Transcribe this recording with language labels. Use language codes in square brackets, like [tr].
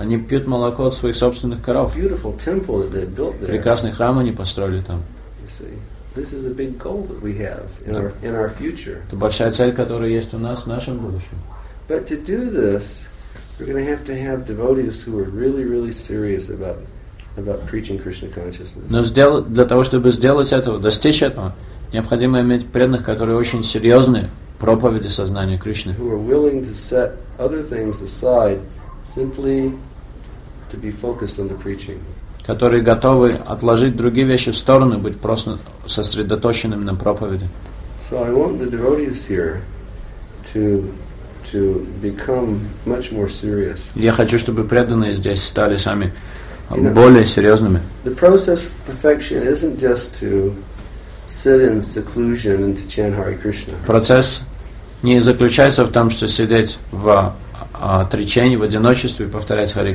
[ru] Они пьют молоко от своих собственных коров. [en] Beautiful temple that they built there. [ru] Прекрасный храм они построили там. [en] You see, this is a big goal that we have in our future. [ru] Это большая цель, которая есть у нас в нашем будущем. [en] But to do this, we're going to have devotees who are really, really serious about preaching Krishna consciousness. [ru] Но для того, чтобы сделать этого, достичь этого, необходимо иметь преданных, которые очень серьезны в проповеди сознания Кришны. [en] Who are willing to set other things aside simply to be focused on the preaching. [ru] Которые готовы отложить другие вещи в сторону, быть просто сосредоточенным на проповеди. [en] So I want the devotees here to become much more serious. [ru] Я хочу, чтобы преданные здесь стали сами более серьезными. [en] The process of perfection isn't just to sit in seclusion and to chant Hare Krishna. [ru] Процесс не заключается в том, что сидеть в отречении, в одиночестве и повторять Харе